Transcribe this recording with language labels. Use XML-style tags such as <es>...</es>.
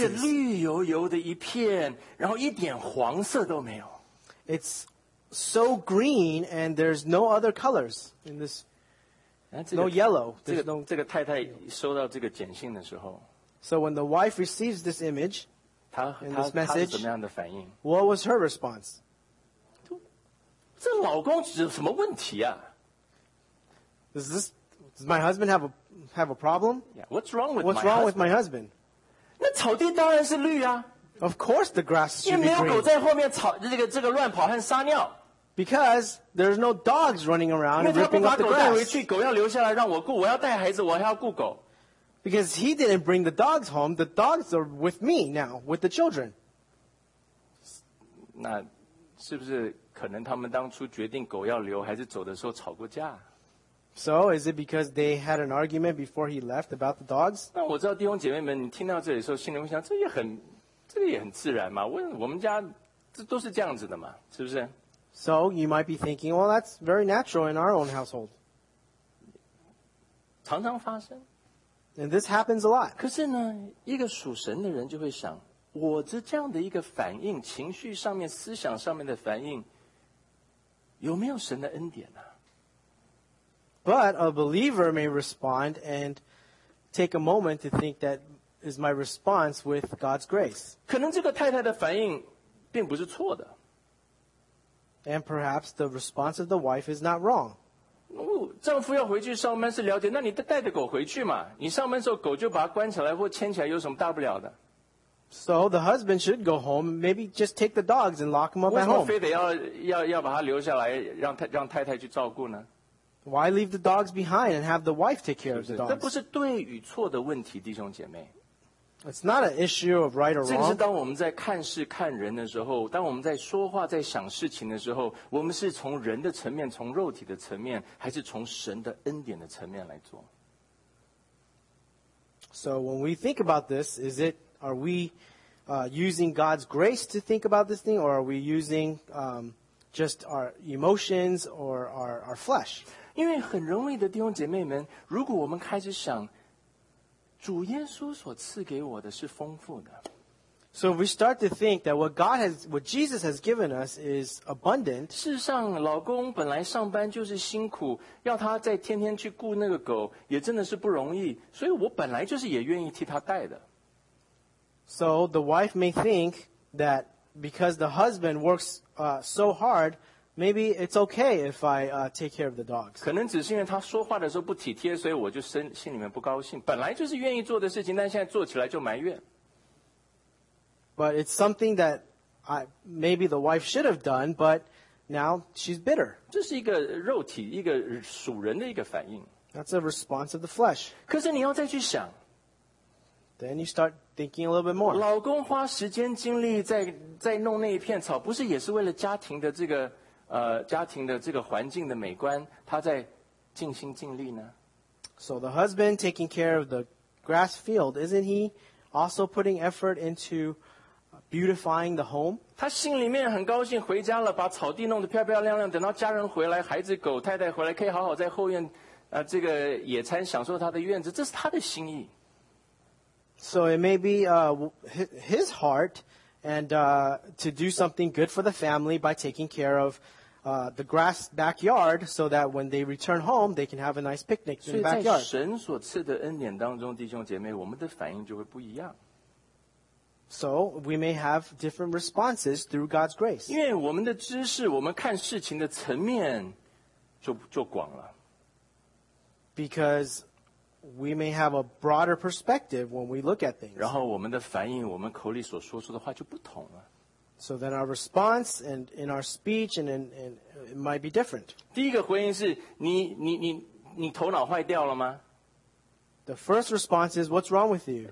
<zh>你看这绿油油的一片, 然后一点黄色都没有。</zh> <en>It's so green, and there's no other colors in this.</en> <zh>这个,</zh> <en>no yellow.</en> <zh>这个,</zh> <en>no,</en> <zh>这个太太收到这个简讯的时候,</zh> <en>so when the wife receives this image,</en> <zh>她,</zh> <en>in this message,</en> <zh>她是怎么样的反应?</zh> <en>What was her response?</en> <zh>这老公有什么问题啊?</zh> <en>Does my husband have a problem? Yeah, what's wrong with what's my wrong What's wrong with my husband?</en> <zh>那草地当然是绿啊。</zh> <en>Of course the grass should be green. Because there's no dogs running around ripping up the grass. Because he didn't bring the dogs home, the dogs are with me now, with the children.</en> <zh>那是不是可能他们当初决定狗要留还是走的时候吵过架？</zh> <en>So, is it because they had an argument before he left about the dogs?</en> <zh>那我知道弟兄姐妹们，你听到这里的时候，心里会想，这个也很自然嘛。我们家这都是这样子的嘛，是不是</zh> <en>？So you might be thinking, well, that's very natural in our own household.</en> <zh>常常发生。</zh> <en>And this happens a lot.</en> <zh>可是呢，一个属神的人就会想，我这样的一个反应，情绪上面、思想上面的反应，有没有神的恩典呢？</zh> <en>But a believer may respond and take a moment to think that is my response with God's grace.</en> <zh>可能这个太太的反应并不是错的。</zh> <en>And perhaps the response of the wife is not wrong.</en> <zh>丈夫要回去上班是了解，那你带着狗回去嘛？你上班的时候狗就把它关起来或牵起来，有什么大不了的？</zh> <en>So the husband should go home, maybe just take the dogs and lock them up at home.</en> <zh>为什么非得要把它留下来，让太太去照顾呢？</zh> <en>Why leave the dogs behind and have the wife take care of the dogs?</en> <zh>这不是对与错的问题，弟兄姐妹。</zh> <en>It's not an issue of right or wrong.</en> <zh>这是当我们在看事看人的时候，当我们在说话在想事情的时候，我们是从人的层面，从肉体的层面，还是从神的恩典的层面来做？</zh> <en>So when we think about this, are we using God's grace to think about this thing, or are we using just our emotions or our flesh?</en> <zh>因为很容易的，弟兄姐妹们，如果我们开始想，主耶稣所赐给我的是丰富的。</zh> <en>So if we start to think that what Jesus has given us is abundant.</en> <zh>事实上，老公本来上班就是辛苦，要他再天天去顾那个狗，也真的是不容易。所以我本来就是也愿意替他带的。</zh> <en>So the wife may think that because the husband works so hard, maybe it's okay if I take care of the dogs.</en> <zh>可能只是因为他说话的时候不体贴，所以我就心里面不高兴。本来就是愿意做的事情，但现在做起来就埋怨。</zh> <en>But it's something that maybe the wife should have done, but now she's bitter.</en> <zh>这是一个肉体，一个属人的一个反应。</zh> <en>That's a response of the flesh.</en> <zh>可是你要再去想。</zh> <en>Then you start thinking a little bit more.</en> <zh>老公花时间精力在弄那一片草，不是也是为了家庭的这个环境的美观，他在尽心尽力呢？</zh> <en>So the husband taking care of the grass field, isn't he also putting effort into beautifying the home?</en> <zh>他心里面很高兴回家了，把草地弄得漂漂亮亮，等到家人回来，孩子狗太太回来，可以好好在后院这个野餐，享受他的院子，这是他的心意。</zh> <en>So it may be his heart and to do something good for the family by taking care of the grass backyard so that when they return home, they can have a nice picnic in the backyard.</en> <zh>所以在神所赐的恩典当中，弟兄姐妹，我们的反应就会不一样。</zh> <en>So we may have different responses through God's grace.</en> <zh>因为我们的知识，我们看事情的层面就广了。</zh> <en>Because we may have a broader perspective when we look at things.</en> <zh>然后我们的反应，我们口里所说出的话就不同了。</zh> <en>So then our response and in our speech and it might be different.</en> <zh>第一个回应是你头脑坏掉了吗？</zh> <en>The first response is, what's wrong with you?</en>